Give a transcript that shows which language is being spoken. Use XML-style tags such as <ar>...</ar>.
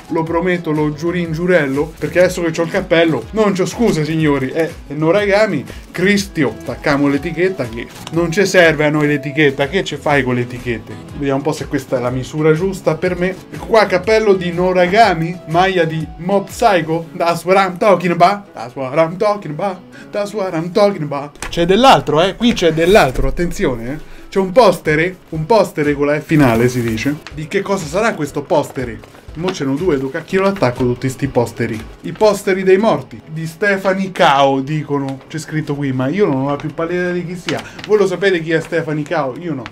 <it>Lo prometto, lo giurin giurello, perché adesso che c'ho il cappello non c'ho scuse, signori. È Noragami. Cristio, attacchiamo l'etichetta, che non ci serve a noi l'etichetta. Che ci fai con le etichette? Vediamo un po' se questa è la misura giusta per me. Qua cappello di Noragami, maglia di Mob Psycho.</it> <en>That's what I'm talking about. That's what I'm talking about. That's what I'm talking about.</en> <it>C'è dell'altro, qui c'è dell'altro, attenzione, C'è un postere con la F finale, si dice. Di che cosa sarà questo postere? Mo ce n'ho due, duca, chi lo attacco tutti sti posteri? I posteri dei morti, di Stefani Cao, dicono. C'è scritto qui, ma io non ho la più pallida idea di chi sia. Voi lo sapete chi è Stefani Cao? Io no.</it>